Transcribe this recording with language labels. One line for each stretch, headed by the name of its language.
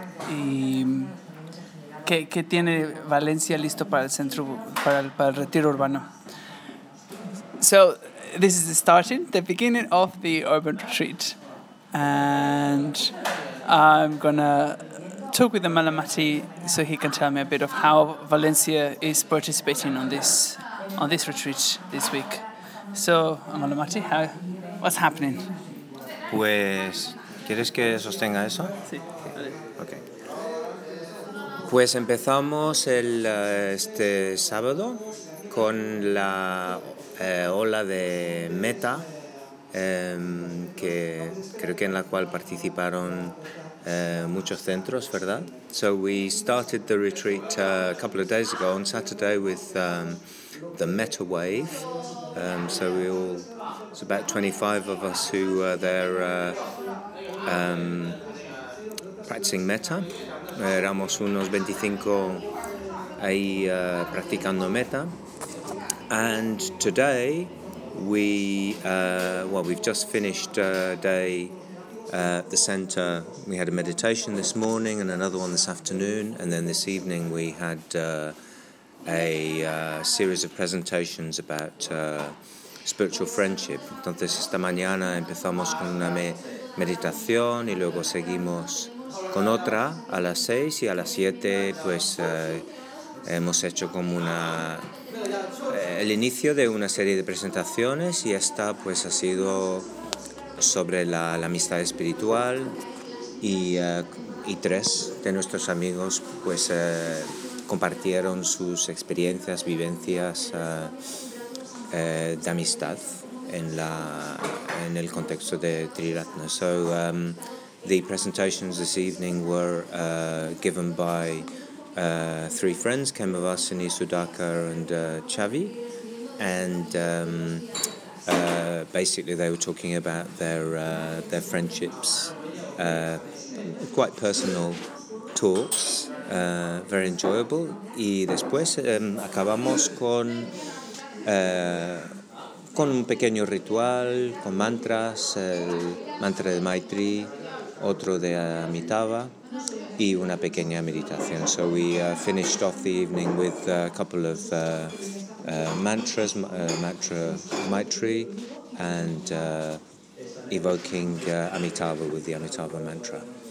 Spanish: Y ¿qué tiene Valencia listo para el centro, para el retiro urbano?
English: So, this is the beginning of the urban retreat. And I'm going to talk with the Malamati so he can tell me a bit of how Valencia is participating on this retreat this week. So, Malamati, what's happening?
Spanish: Pues, ¿quieres que sostenga eso? Sí.
English: Okay.
Spanish: Pues empezamos este sábado con la ola de Meta, que creo que en la cual participaron muchos centros, ¿verdad?
English: So we started the retreat a couple of days ago on Saturday with the Meta Wave. So we all, it's about 25 of us who were there practicing Meta.
Spanish: Éramos unos 25 ahí practicando Meta.
English: And today we've just finished a day at the center. We had a meditation this morning and another one this afternoon, and then this evening we had a series of presentations about spiritual friendship.
Spanish: Entonces esta mañana empezamos con una meditación y luego seguimos con otra a las 6 y a las 7 pues hemos hecho como una el inicio de una serie de presentaciones y esta pues ha sido sobre la amistad espiritual y tres de nuestros amigos pues compartieron sus experiencias, vivencias de amistad en el contexto de Triratna.
English: So the presentations this evening were given by three friends, Kemavasini, Sudhaka and Chavi. And basically they were talking about their friendships, quite personal talks, very enjoyable.
Spanish: Y después acabamos con un pequeño ritual, con mantras, el mantra de Maitri, otro de Amitabha, y una pequeña meditación.
English: So we finished off the evening with a couple of mantras, mantra Maitri, and evoking Amitabha with the Amitabha mantra.